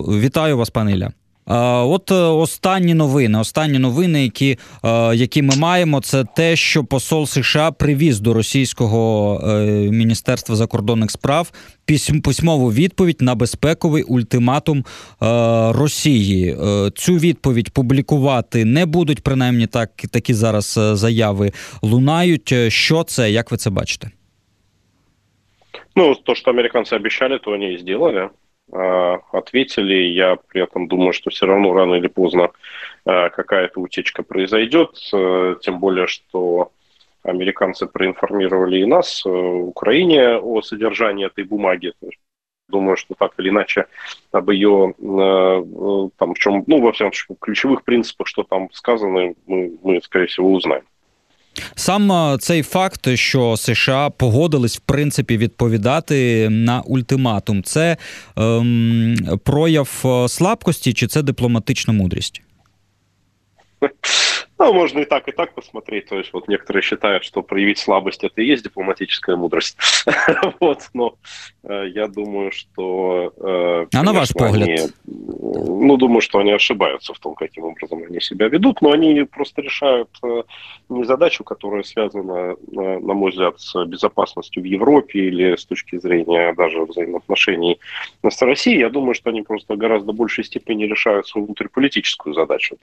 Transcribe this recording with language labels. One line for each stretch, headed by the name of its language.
Ukrainian: Вітаю вас, пане Ілля. От останні новини, які ми маємо, це те, що посол США привіз до російського Міністерства закордонних справ письмову відповідь на безпековий ультиматум Росії. Цю відповідь публікувати не будуть, принаймні такі зараз заяви лунають. Що це, як ви це бачите? Ну, то, що американці обіцяли, то вони і зробили.
Russian: Ответили. Я при этом думаю, что все равно рано или поздно какая-то утечка произойдет. Тем более, что американцы проинформировали и нас, в Украине, о содержании этой бумаги. Думаю, что так или иначе об ее там, в чем, ну, во всем случае, ключевых принципах, что там сказано, мы скорее всего узнаем.
Ukrainian: Сам цей факт, що США погодились, в принципі, відповідати на ультиматум, це прояв слабкості чи це дипломатична мудрість? Ну, можна і так посмотреть.
Russian: Тобто, от некоторые считают, что проявить слабость – это и есть дипломатическая мудрость. Вот, но я думаю, что...
Ukrainian: А на ваш погляд?
Russian: Ну, думаю, что они ошибаются в том, каким образом они себя ведут, но они просто решают не задачу, которая связана, на мой взгляд, с безопасностью в Европе или с точки зрения даже взаимоотношений с Россией. Я думаю, что они просто в гораздо большей степени решают свою внутриполитическую задачу.